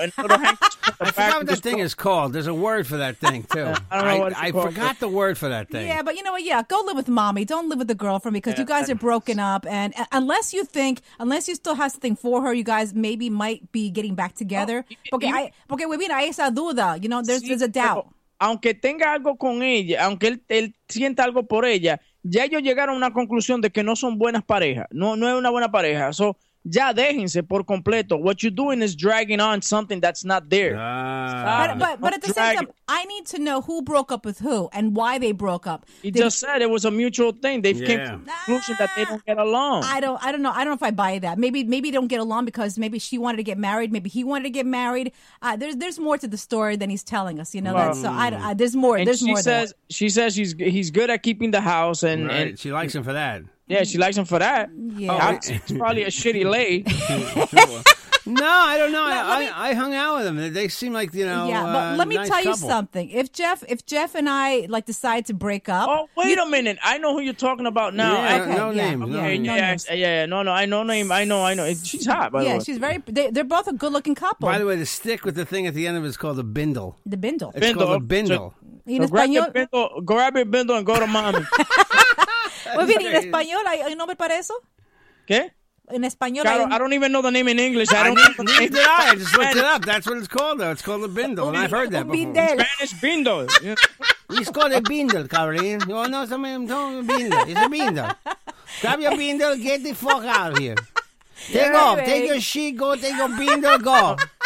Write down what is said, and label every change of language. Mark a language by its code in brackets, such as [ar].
[en] I forgot what that thing is called. There's a word for that thing, too. I forgot the word for that thing. Yeah, but you know what? Yeah, go live with mommy. Don't live with the girlfriend because you guys are broken up. And unless you still have something for her, you guys maybe might be getting back together. There's a doubt. [es] Aunque tenga algo con ella, aunque él sienta algo por ella, ya ellos llegaron a una conclusión de que no son buenas parejas. No es una buena pareja. So, ya déjense por completo. [en] What you're doing is dragging on something that's not there. But at the same time, I need to know who broke up with who and why they broke up. He just said it was a mutual thing. They came to the conclusion that they don't get along. I don't know. I don't know if I buy that. Maybe they don't get along because maybe she wanted to get married. Maybe he wanted to get married. There's more to the story than he's telling us. You know that. She says he's good at keeping the house, and she likes him for that. Yeah, she likes him for that. Yeah. Oh, it's probably a shitty lay. No, I don't know. I hung out with them. They seem like, you know. Yeah, but let me nice tell couple. You something. If Jeff and I like decide to break up. Oh, wait a minute. I know who you're talking about now. No names. I know. She's hot, by the way. Yeah, she's very. They're both a good looking couple. By the way, the stick with the thing at the end of it is called a bindle. The bindle. It's bindle. Called a bindle. Grab your bindle and go to mommy. Well, in [es] español, ¿hay un nombre para eso? ¿Qué? [en] In español, claro, I don't even know the name in English. I just looked it up. That's what it's called, though. It's called a bindle, and I've heard that before. Spanish bindle. It's called a bindle, Carolyn. You want to know something? It's a bindle. Grab your bindle, get the fuck out of here. Take your sheet, go take your bindle, go.